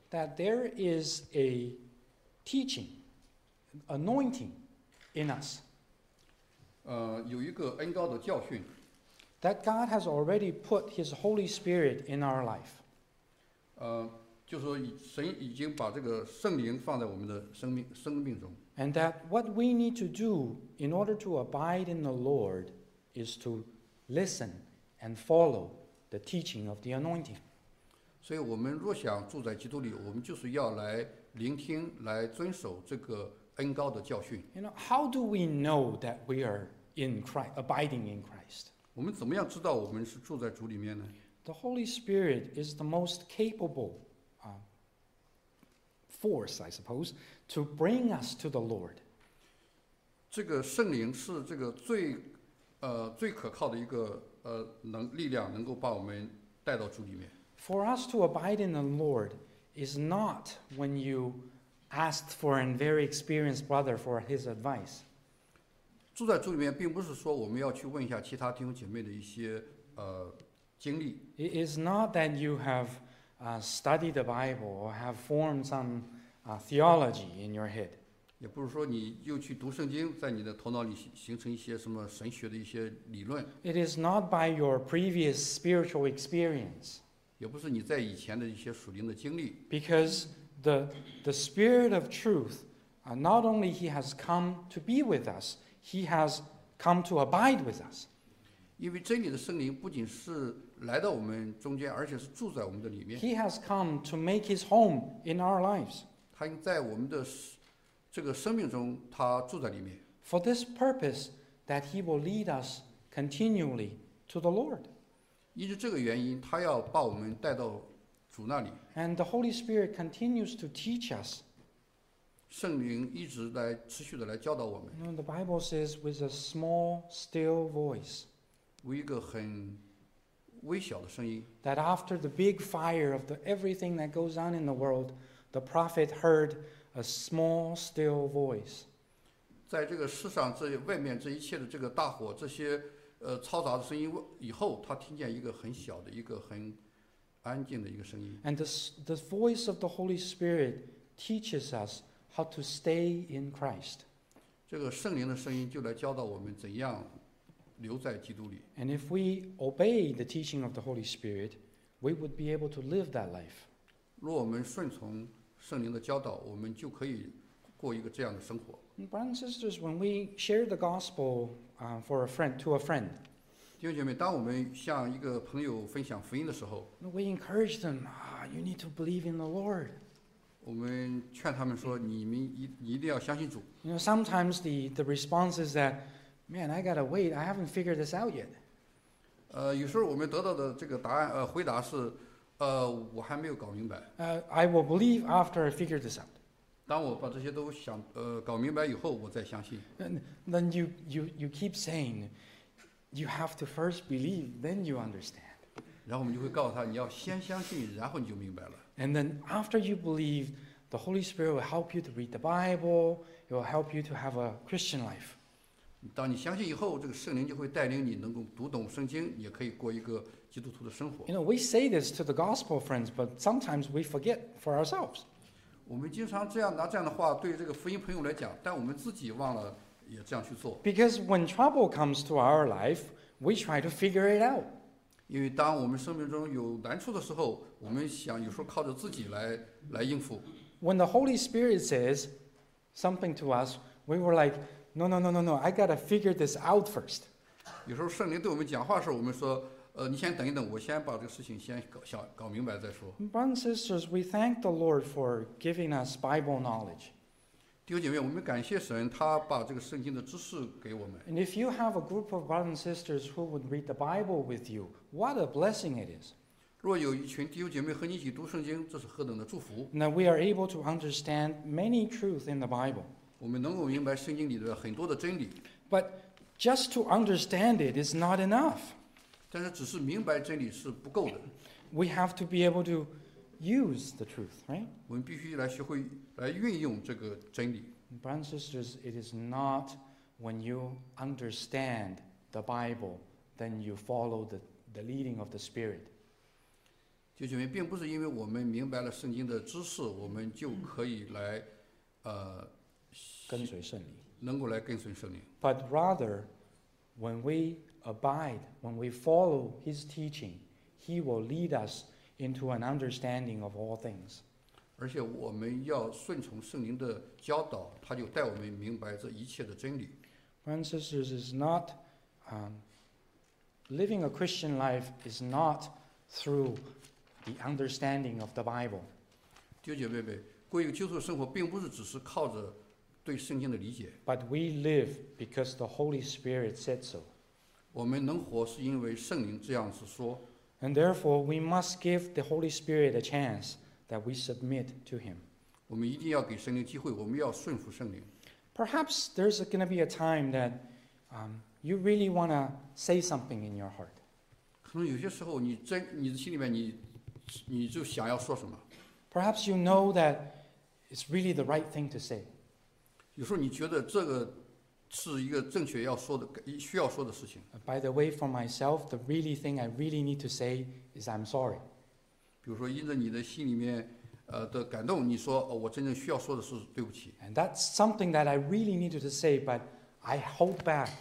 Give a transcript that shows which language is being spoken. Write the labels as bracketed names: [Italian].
[English] That there is a teaching, anointing in us. [Chinese] 有一个恩膏的教训。 [English] That God has already put His Holy Spirit in our life. [Chinese] 就说神已经把这个圣灵放在我们的生命中。 [English] And that what we need to do in order to abide in the Lord is to listen and follow the teaching of the anointing. [Chinese] 所以我们若想住在基督里，我们就是要来聆听、来遵守这个恩膏的教训。 [English] You know, how do we know that we are in Christ, abiding in Christ? [Chinese] 我们怎么样知道我们是住在主里面呢？ [English] The Holy Spirit is the most capable force, I suppose, to bring us to the Lord. [Chinese] 这个圣灵是这个最最可靠的一个力量，能够把我们带到主里面。 [English] For us to abide in the Lord is not when you asked for a very experienced brother for his advice. [Chinese] 住在主里面并不是说我们要去问一下其他弟兄姐妹的一些经历。 [English] It is not that you have studied the Bible or have formed some theology in your head. [Chinese] 也不是说你又去读圣经，在你的头脑里形成一些什么神学的一些理论。 [English] It is not by your previous spiritual experience. [Chinese] 也不是你在以前的一些属灵的经历。 [English] Because the Spirit of Truth, not only He has come to be with us, He has come to abide with us. [Chinese] 因为真理的圣灵不仅是来到我们中间，而且是住在我们的里面。 [English] He has come to make His home in our lives. [Chinese] 他在我们的这个生命中，他住在里面。 [English] For this purpose, that He will lead us continually to the Lord. [Chinese] 因为这个原因，他要把我们带到主那里。 [English] And the Holy Spirit continues to teach us. [Chinese] 圣灵一直来持续的来教导我们。 [English] The Bible says with a small, still voice. [Chinese] 为一个很微小的声音。 [English] That after the big fire of the everything that goes on in the world, the prophet heard a small, still voice. [Chinese] 在这个世上这外面这一切的这个大火这些。嘈杂的声音以后，他听见一个很小的一个很安静的一个声音。 [English] And the voice of the Holy Spirit teaches us how to stay in Christ. [Chinese] 这个圣灵的声音就来教导我们怎样留在基督里。 [English] And if we obey the teaching of the Holy Spirit, we would be able to live that life. [Chinese] 若我们顺从圣灵的教导，我们就可以过一个这样的生活。 [English] Brothers and sisters, when we share the gospel for a friend, to a friend, [Chinese] 弟兄姐妹，当我们向一个朋友分享福音的时候， [English] we encourage them, you need to believe in the Lord. [Chinese] 我们劝他们说，你一定要相信主。 [English] You know, sometimes the response is that, man, I gotta wait, I haven't figured this out yet. [Chinese] 有时候我们得到的这个答案回答是，我还没有搞明白。 [English] I will believe after I figure this out. [Chinese] 当我把这些都想搞明白以后，我再相信。 [English] Then you keep saying, you have to first believe, then you understand. [Chinese] 然后我们就会告诉他，你要先相信，然后你就明白了。 [English] And then after you believe, the Holy Spirit will help you to read the Bible. It will help you to have a Christian life. [Chinese] 当你相信以后，这个圣灵就会带领你能够读懂圣经，也可以过一个基督徒的生活。 [English] You know, we say this to the gospel friends, but sometimes we forget for ourselves. [Chinese] 我们经常这样拿这样的话对这个福音朋友来讲，但我们自己忘了也这样去做。 [English] Because when trouble comes to our life, we try to figure it out. [Chinese] 因为当我们生命中有难处的时候，我们想有时候靠着自己来应付。 [English] When the Holy Spirit says something to us, we were like, no, no, no, no, no, I gotta figure this out first. [Chinese] 有时候圣灵对我们讲话的时候，我们说。你先等一等，我先把这个事情先搞明白再说。 [English] Brothers and sisters, we thank the Lord for giving us Bible knowledge. [Chinese] 弟兄姐妹，我们感谢神，他把这个圣经的知识给我们。 [English] And if you have a group of brothers and sisters who would read the Bible with you, what a blessing it is! [Chinese] 若有一群弟兄姐妹和你一起读圣经，这是何等的祝福！ [English] Now we are able to understand many truths in the Bible. [Chinese] 我们能够明白圣经里的很多的真理。 [English] But just to understand it is not enough. [Chinese] 但是只是明白真理是不够的。 [English] We have to be able to use the truth, right? [Chinese] 我们必须来学会来运用这个真理。 [English] Brothers and sisters, it is not when you understand the Bible, then you follow the leading of the Spirit. [Chinese] 弟兄姐妹，并不是因为我们明白了圣经的知识，我们就可以来跟随圣灵，能够来跟随圣灵。 [English] But rather, when we abide, when we follow his teaching, he will lead us into an understanding of all things. [Chinese] 而且我们要顺从圣灵的教导，他就带我们明白这一切的真理。 [English] Brothers and sisters, is not living a Christian life is not through the understanding of the Bible. [Chinese] 弟兄姐妹，过一个基督徒生活并不是只是靠着对圣经的理解。 [English] But we live because the Holy Spirit said so. [Chinese] 我们能活是因为圣灵这样子说。 [English] And therefore, we must give the Holy Spirit a chance that we submit to Him. [Chinese] 我们一定要给圣灵机会，我们要顺服圣灵。 [English] Perhaps there's going to be a time that you really want to say something in your heart. [Chinese] 可能有些时候你心里面你你就想要说什么。 [English] Perhaps you know that it's really the right thing to say. [Chinese] 有时候你觉得这个是一个正确要说的、需要说的事情。 [English] By the way, for myself, the really thing I really need to say is I'm sorry. [Chinese] 比如说，因着你的心里面的感动，你说、我真正需要说的是对不起。 [English] And that's something that I really needed to say, but I hold back.